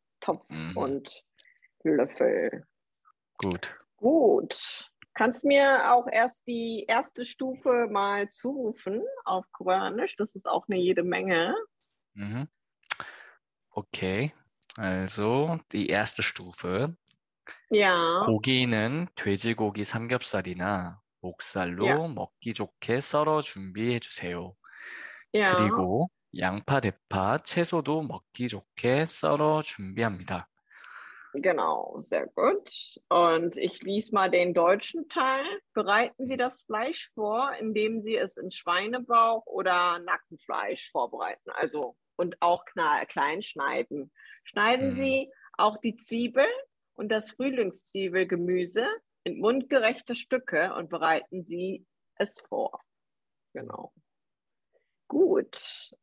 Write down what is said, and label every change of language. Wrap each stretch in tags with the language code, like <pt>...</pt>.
<de>Topf und Löffel. Gut. Gut. Kannst mir auch erst die erste Stufe mal zurufen auf Koreanisch? Das ist auch eine jede Menge. Okay, also die erste Stufe. Ja.</de> <ko>고기는 돼지고기 삼겹살이나</ko> <de>Ja.</de> <ko>목살로 먹기 좋게 썰어 준비해 주세요.</ko> <de>Ja.</de> <ko>그리고 양파, 대파, 채소도 먹기 좋게 썰어 준비합니다.</ko> <de>Genau, sehr gut. Und ich lese mal den deutschen Teil. Bereiten Sie das Fleisch vor, indem Sie es in Schweinebauch oder Nackenfleisch vorbereiten. Also, und auch klein schneiden. Schneiden Sie auch die Zwiebel und das Frühlingszwiebelgemüse in mundgerechte Stücke und bereiten Sie es vor. Genau. Gut.</de>